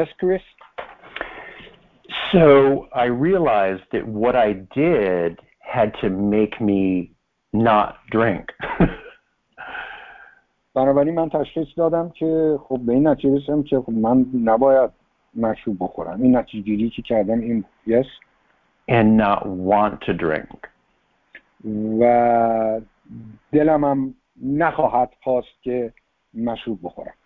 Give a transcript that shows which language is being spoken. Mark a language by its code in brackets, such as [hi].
[en] Yes, Chris? So I realized that what I did had to make me not drink. [fa] بنابراین من تشخیص دادم که خب به این نتیجه رسیدم که خب من نباید مشروب بخورم. این نتیجه گیری که کردم این بود. [en] Yes? And not want to drink. [fa] و دلم هم نخواهد خواست که مشروب بخورم.